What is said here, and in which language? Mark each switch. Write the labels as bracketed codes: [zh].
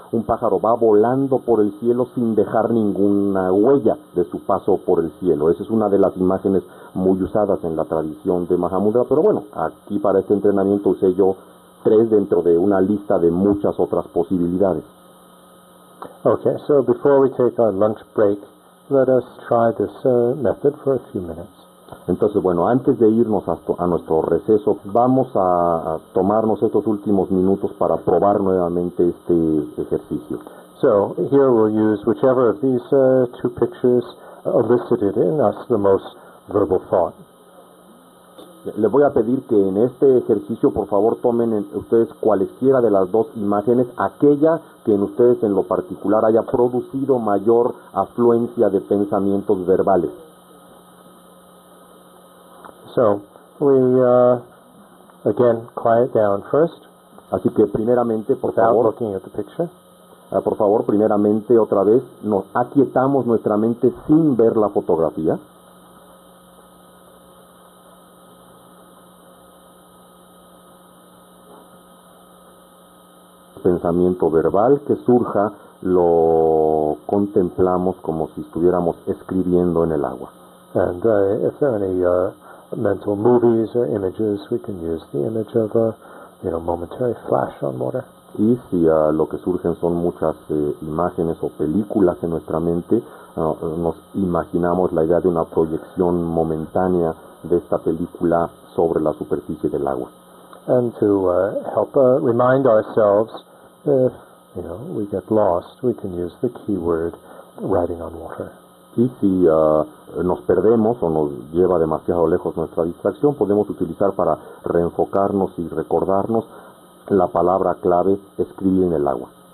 [es] Un pájaro va volando por el cielo sin dejar ninguna huella de su paso por el cielo. Esa es una de las imágenes muy usadas en la tradición de Mahamudra, pero bueno, aquí para este entrenamiento usé yo tres dentro de una lista de muchas otras posibilidades. [en] Okay, so before we take our lunch break, let us try this method for a few minutes. [es] Entonces, bueno, antes de irnos a nuestro receso, vamos a tomarnos estos últimos minutos para probar nuevamente este ejercicio. [en] So, here we'll use whichever of these two pictures elicited in us the most verbal thought. [es] Le voy a pedir que en este ejercicio, por favor, tomen ustedes cualesquiera de las dos imágenes, aquella que en ustedes en lo particular haya producido mayor afluencia de pensamientos verbales. [en] So, we again quiet down first. [es] Así que primeramente, por favor, [en] looking at the picture. [es] Por favor, primeramente otra vez nos aquietamos nuestra mente sin ver la fotografía. Pensamiento verbal que surja lo contemplamos como si estuviéramos escribiendo en el agua. [en] And if there are any mental movies or images, we can use the image of a, you know, momentary flash on water. [es] Y si lo que surgen son muchas imágenes o películas en nuestra mente, nos imaginamos la idea de una proyección momentánea de esta película sobre la superficie del agua. [en] And to help remind ourselves, if, you know, we get lost, we can use the keyword riding on water. [es] Y si nos perdemos o nos lleva demasiado lejos nuestra distracción, podemos utilizar para reenfocarnos y recordarnos la palabra clave, escribir en el agua.